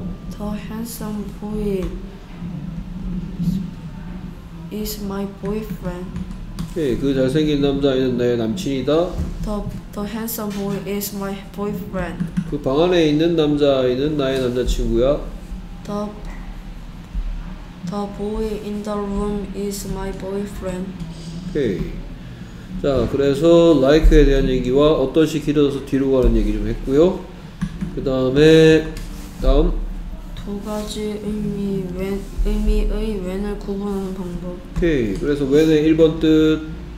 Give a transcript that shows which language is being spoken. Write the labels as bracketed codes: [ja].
[en] The handsome boy is my boyfriend. [ko] 오케이, 그 잘생긴 남자아이는 나의 남친이다. [en] The handsome boy is my boyfriend. [ko] 그 방 안에 있는 남자아이는 나의 남자친구야. [en] The boy in the room is my boyfriend. [ko] 오케이. 자, 그래서 like에 대한 얘기와 어떤 시 길어져서 뒤로 가는 얘기 좀 했고요. 그 다음에 다음 두 가지 의미의 when을 구분하는 방법. 오케이. 그래서 when의 1번 뜻